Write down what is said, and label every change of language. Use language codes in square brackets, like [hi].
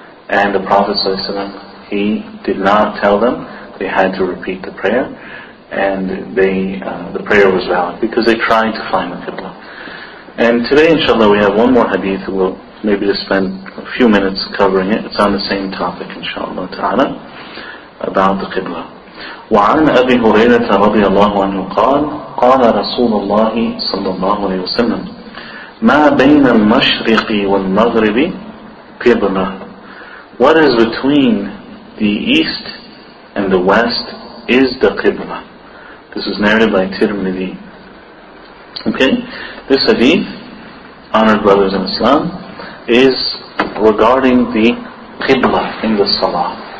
[en] And the Prophet ﷺ, he did not tell them they had to repeat the prayer. And the prayer was valid because they tried to find the Qibla. And today, inshallah, we have one more hadith. We'll maybe just spend a few minutes covering it. It's on the same topic, inshallah ta'ala, about the Qibla. [ar] وعن أبي هريرة رضي الله عنه قال قال رسول الله صلى الله عليه وسلم ما بين المشرق والمغرب قبلة. [en] What is between the east and the west is the Qibla. This is narrated by Tirmidhi. Okay, this hadith, honored brothers in Islam, is regarding the Qibla in the Salah.